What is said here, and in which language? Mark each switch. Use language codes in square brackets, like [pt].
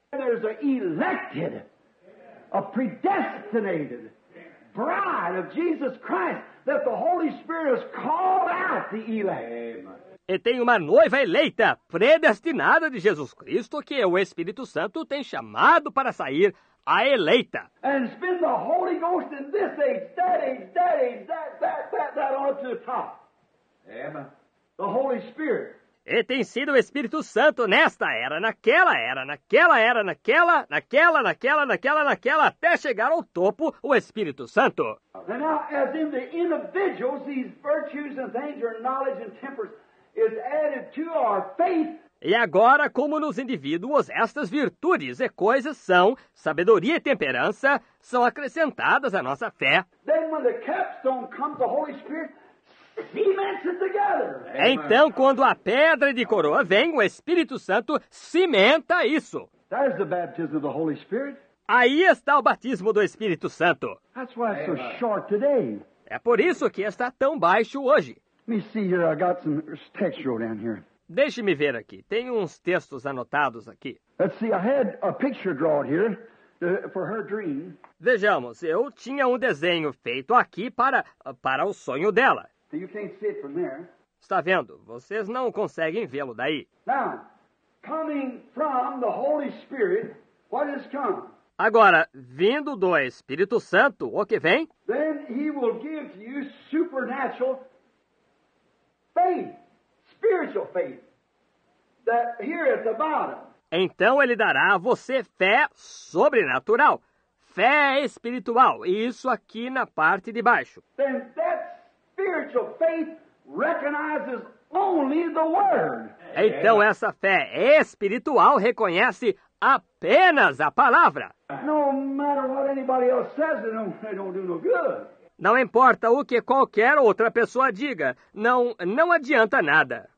[en] There's an elected, a predestinated bride of Jesus Christ that the Holy Spirit has called out the elect. [pt] E tem uma noiva eleita, predestinada de Jesus Cristo, que o Espírito Santo tem chamado para sair, a eleita. [en] And spin the Holy Ghost in this age, that age, that age, that, that, that, that, on to the top. Amen. The Holy Spirit. [pt] E tem sido o Espírito Santo nesta era, naquela era, naquela era, naquela, naquela, naquela, naquela, naquela, até chegar ao topo, o Espírito Santo. [en] And now, as in the individuals, these virtues and things, or knowledge and tempers, is added to our faith. [pt] E agora, como nos indivíduos, estas virtudes e coisas são, sabedoria e temperança, são acrescentadas à nossa fé. [en] Then when the capstone comes, the Holy Spirit cements it together. [pt] Então, quando a pedra de coroa vem, o Espírito Santo cimenta isso. [en] That's the baptism of the Holy Spirit. [pt] Aí está o batismo do Espírito Santo. [en] That's why it's so short today. [pt] É por isso que está tão baixo hoje. [en] Let me see here, I got some textual down here. [pt] Deixe-me ver aqui. Tem uns textos anotados aqui. [en] Let's see, I had a picture drawn here for her dream. [pt] Vejamos, eu tinha um desenho feito aqui para o sonho dela. [en] You can't see it from there. [pt] Está vendo? Vocês não conseguem vê-lo daí. [en] Now, coming from the Holy Spirit, what has come? [pt] Agora, vindo do Espírito Santo, o que vem? [en] Then he will give you supernatural faith. Spiritual faith, that here at the bottom. [pt] Então ele dará a você fé sobrenatural, fé espiritual, e isso aqui na parte de baixo. [en] Then that spiritual faith recognizes only the word. [pt] Então essa fé espiritual reconhece apenas a palavra. [en] No matter what anybody else says, they don't do no good. [pt] Não importa o que qualquer outra pessoa diga, não adianta nada.